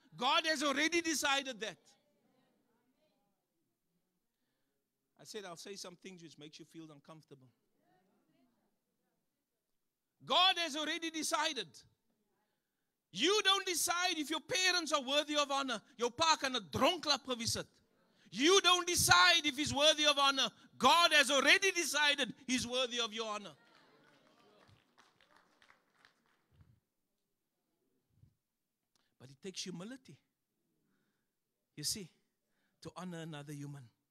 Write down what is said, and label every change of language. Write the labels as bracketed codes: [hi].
[en] God has already decided that. I said, I'll say some things which makes you feel uncomfortable. God has already decided. You don't decide if your parents are worthy of honor. Your [af] pa kan 'n dronk lap gewees het. [en] You don't decide if he's worthy of honor. God has already decided he's worthy of your honor. But it takes humility. You see, to honor another human.